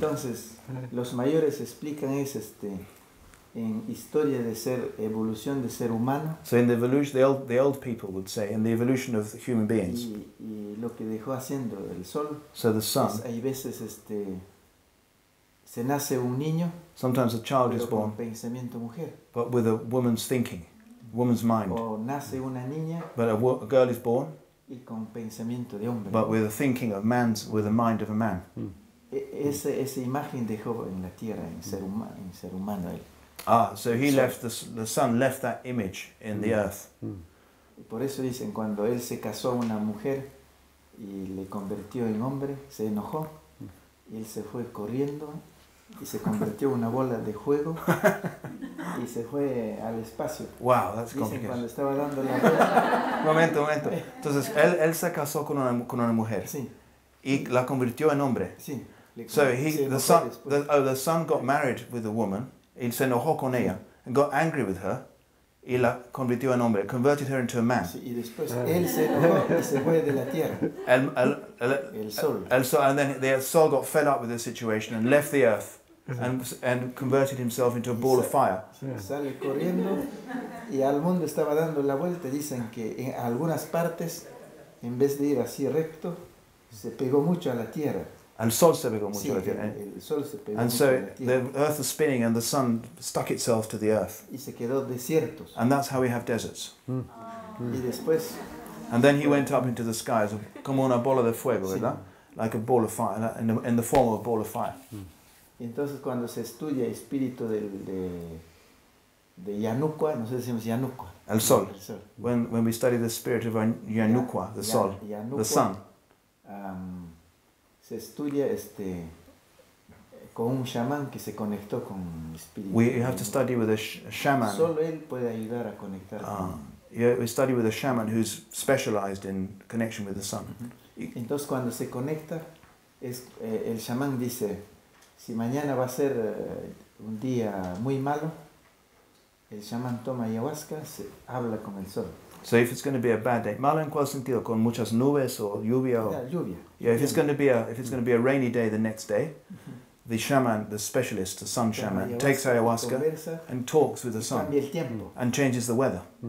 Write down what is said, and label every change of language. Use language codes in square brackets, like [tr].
[es] Entonces los mayores explican es este. En historia de ser evolución de ser humano. [en] So in the evolution, the old people would say, in the evolution of the human beings. [es] Y lo que dejó haciendo el sol. [en] So the sun. [es] Hay veces este se nace un niño. [en] Sometimes a child is born. [es] Con pensamiento mujer. [en] But with a woman's thinking, woman's mind. [es] O nace una niña. [en] But a girl is born. [es] Y con pensamiento de hombre. [en] But with a thinking of man's, with a mind of a man. [es] Esa imagen dejó en la tierra en ser humano él. [en] So he left the sun left that image in the earth. [es] Y por eso dicen cuando él se casó una mujer y le convirtió en hombre, se enojó y él se fue corriendo y se convirtió en una bola de juego y se fue al espacio. [en] Wow, that's complicated. [es] Dicen cuando estaba dando la vuelta. Momento. Entonces él se casó con una mujer. Sí. Y la convirtió en hombre. Sí. [en] So the son got married with a woman. [es] Él se enojó con ella [en] and got angry with her [es] y la convirtió en hombre, [en] converted her into a man. [es] Sí, y después él se enojó y se fue de la tierra. El sol. [en] And then the soul got fed up with the situation and left the earth and converted himself into a ball of fire. [es] Sale corriendo y al mundo estaba dando la vuelta. Dicen que en algunas partes, en vez de ir así recto, se pegó mucho a la tierra. And sol se pegó mucho la tierra. [en] And so the earth is spinning and the sun stuck itself to the earth. [es] Y se quedó desierto. [en] And that's how we have deserts. [es] Mm. Y después, [en] and then he went up into the skies, [es] como una bola de fuego, sí. ¿Verdad? [en] Like a ball of fire, in the form of a ball of fire. [es] Y entonces cuando se estudia el espíritu de Yanuqua, no sé si decimos Yanuqua. [en] El sol. When we study the spirit of Yanuqua, the sol, Yanuqua, the sun. [es] Se estudia este con un chamán que se conectó con espíritu. [en] We have to study with a shaman. [es] Solo él puede ayudar a conectar. [en] We study with a shaman who's specialized in connection with the sun. Mm-hmm. [es] Entonces cuando se conecta el chamán dice si mañana va a ser un día muy malo el chamán toma ayahuasca se habla con el sol. [en] So if it's going to be a bad day, [es] malo en cuál sentido, con muchas nubes o lluvia. [en] Or, [es] lluvia. [en] Yeah, if it's going to be a rainy day the next day, the shaman, the specialist, the sun shaman, takes ayahuasca and talks with the sun and changes the weather.